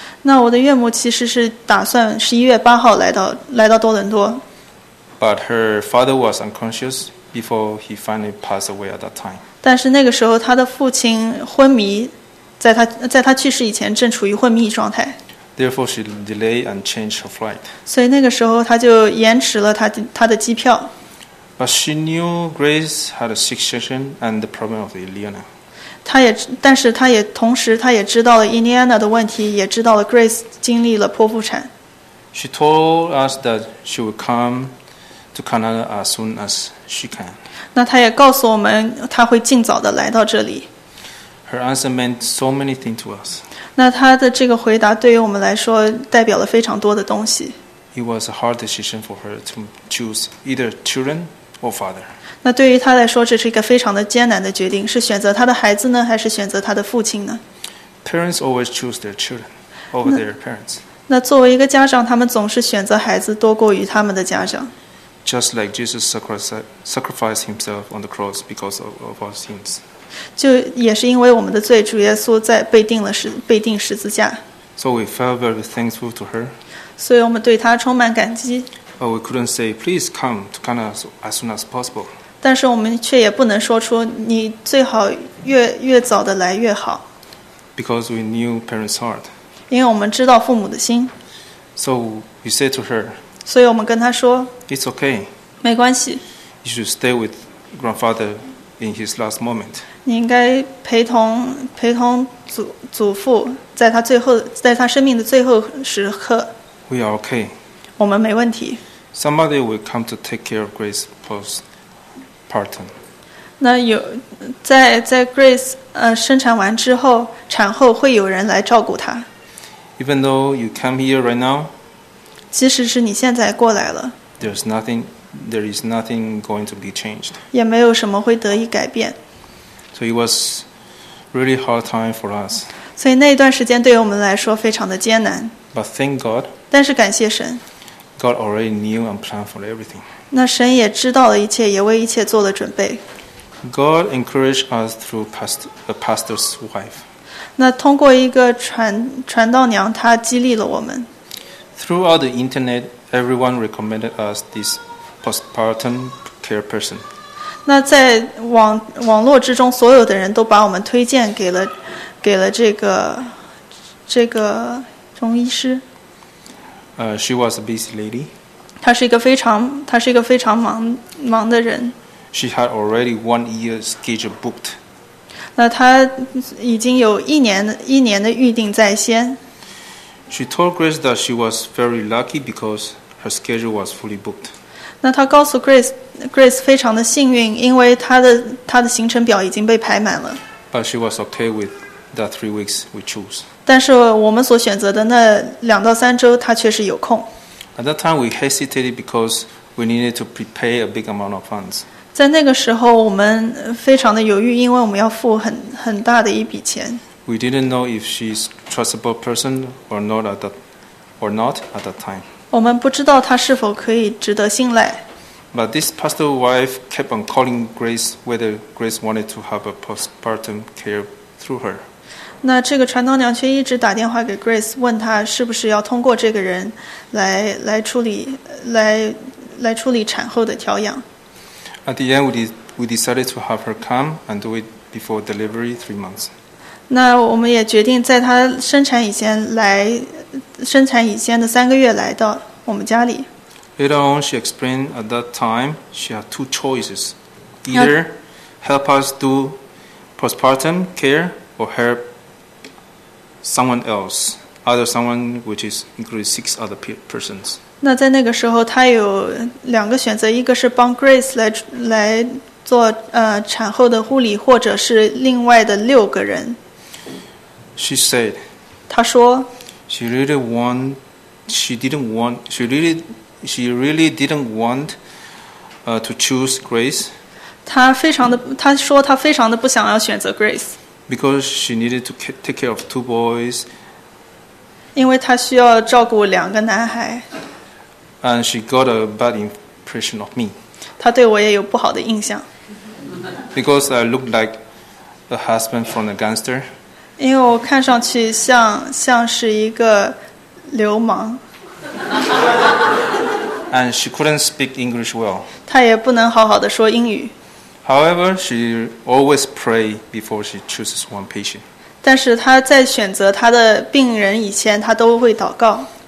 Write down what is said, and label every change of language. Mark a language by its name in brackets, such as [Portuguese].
[Chinese] 那我的岳母其实是打算11月8号来到多伦多。 [English] But her father was unconscious before he finally passed away at that time. [Chinese] 但是那个时候他的父亲昏迷，在他去世以前正处于昏迷状态。 [English] Therefore, she delayed and changed her flight. [Chinese] 所以那个时候她就延迟了她的机票。 [English] But she knew Grace had a C-section and the problem of Eliana. [Chinese] 但是她也知道了 Eliana 的问题，也知道了 Grace 经历了剖腹产。 [English] She told us that she would come to Canada as soon as she can. [Chinese] 那她也告诉我们，她会尽早的来到这里。 [English] Her answer meant so many things to us. [Chinese] 那他的这个回答对于我们来说代表了非常多的东西。 [English] It was a hard decision for her to choose either children or father. [Chinese] 那对于他来说，这是一个非常的艰难的决定，是选择他的孩子呢，还是选择他的父亲呢 [English] ？Parents always choose their children over their parents. [Chinese] 那作为一个家长，他们总是选择孩子多过于他们的家长。 [English] Just like Jesus sacrificed himself on the cross because of our sins. [Chinese] 就也是因为我们的罪，主耶稣在被钉十字架。 [English] So we felt very thankful to her. [Chinese] 所以我们对她充满感激。 [English] But we couldn't say, "Please come to Canada as soon as possible." [Chinese] 但是我们却也不能说出你最好越早的来越好。 [English] Because we knew parents' heart. [Chinese] 因为我们知道父母的心。 [English] So we said to her. [Chinese] 所以我们跟她说。 [English] It's okay. [Chinese] 没关系。 [English] You should stay with grandfather in his last moment. [Chinese] 你应该陪同 祖父在他生命的最后时刻。 [English] We are okay. [Chinese] 我们没问题。 [English] Somebody will come to take care of Grace postpartum. [Chinese] 那有在 Grace 生产完之后，产后会有人来照顾她。 [English] Even though you come here right now, [Chinese] 即使是你现在过来了 [English] there is nothing going to be changed. [Chinese] 也没有什么会得以改变。 [English] So it was really hard time for us. [Chinese] 所以那一段时间对于我们来说非常的艰难。 [English] But thank God. [Chinese] 但是感谢神。 [English] God already knew and planned for everything. [Chinese] 那神也知道了一切，也为一切做了准备。 [English] God encouraged us through a pastor's wife. [Chinese] 那通过一个传道娘，她激励了我们。 [English] Throughout the internet, everyone recommended us this postpartum care person. [Chinese] 那在网络之中，所有的人都把我们推荐给了这个中医师。 [English] She was a busy lady. [Chinese] 她是一个非常忙的人。 [English] She had already 1 year schedule booked. [Chinese] 那她已经有一年的预定在先。 [English] She told Grace that she was very lucky because her schedule was fully booked. [Chinese] 那她告诉 Grace 非常的幸运，因为她的行程表已经被排满了。 [English] But she was okay with the 3 weeks we chose. [Chinese] 但是我们所选择的那2到3周，她却是有空。 [English] At that time, we hesitated because we needed to prepare a big amount of funds. [Chinese] 在那个时候我们非常的犹豫，因为我们要付 很大的一笔钱。 [English] We didn't know if she's a trustable person or not at that time. [Chinese] 我们不知道她是否可以值得信赖。 [English] But this pastor's wife kept on calling Grace whether Grace wanted to have a postpartum care through her. [Chinese] 那这个传道娘却一直打电话给 Grace， 问她是不是要通过这个人 来处理产后的调养。 [English] At the end, we decided to have her come and do it before delivery 3 months. [Chinese] 那我们也决定在她生产以前的3个月来到我们家里。 [English] Later on, she explained at that time she had 2 choices: either help us do postpartum care or help someone else, either someone which is include 6 other persons. [Chinese] 那在那个时候，她有2个选择，一个是帮 Grace 来做产后的护理，或者是另外的6个人。 [English] She said. [Chinese] 她说。 [English] She really didn't want to choose Grace. [Chinese] 她说她非常的不想要选择 Grace. [English] Because she needed to take care of 2 boys. [Chinese] 因为她需要照顾2个男孩。 [English] And she got a bad impression of me. [Chinese] 她对我也有不好的印象。 [English] Because I looked like a husband from a gangster. [Chinese] 因为我看上去像是一个流氓。 [English] And she couldn't speak English well. [Chinese] 她也不能好好的说英语。 [English] However, she always pray before she chooses one patient. [Chinese] 但是她在选择她的病人以前，她都会祷告。